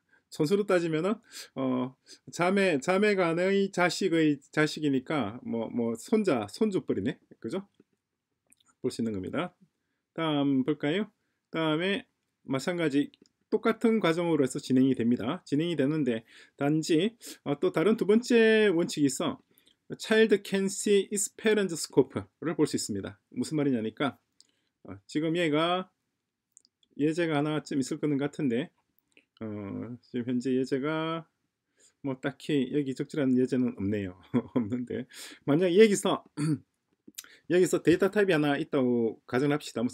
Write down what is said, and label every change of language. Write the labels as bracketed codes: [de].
[ko] 촌수로 따지면 자매 간의 자식의 자식이니까 뭐뭐 뭐 손자 손주뻘이네. 그죠? 볼수 있는 겁니다. 다음 볼까요? 다음에 마찬가지 똑같은 과정으로 해서 진행이 됩니다. 진행이 되는데 단지 또 다른 두 번째 원칙이 있어. [en] Child can see its parent scope를 [ko] 볼수 있습니다. 무슨 말이냐니까 지금 얘가 예제가 하나쯤 있을 거는 같은데 지금 현재 예제가 뭐 딱히 여기 적절한 예제는 없네요. 없는데 만약 여기서 데이터 타입이 하나 있다고 가정합시다.